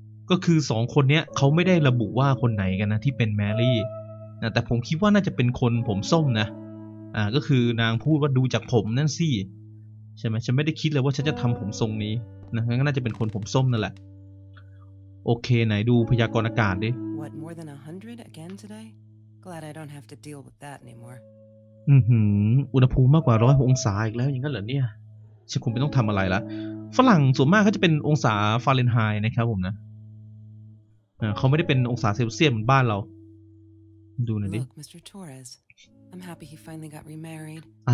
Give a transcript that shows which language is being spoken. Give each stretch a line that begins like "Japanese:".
Thai: ก็คือ2คนเนี้ยเขาไม่ได้ระบุว่าคนไหนกันนะที่เป็นแมรี่นะแต่ผมคิดว่าน่าจะเป็นคนผมส้มนะก็คือนางพูดว่าดูจากผมนั่นสิใช่มั้ยฉันไม่ได้คิดเลยว่าฉันจะทำผมทรงนี้นะงั้นก็น่าจะเป็นคนผมส้มนั่นแหละโอเคไหนดูพยากรณ์อากาศดิ
English: What more than 100 again today? Glad I don't have to deal with that anymore.
Thai: อุณหภูมิมากกว่า100องศาอีกแล้วอย่างนั้นเหรอเนี่ยฉันคงไม่ต้องทำอะไรละฝรั่งส่วนมากเขาจะเป็นองศาฟาเรนไฮต์นะครับผมนะเขาไม่ได้เป็นองศาเซลเซียสเหมือนบ้านเราดูหน่อยดิ
English: Look, Mr. Torres. I'm happy he finally got remarried.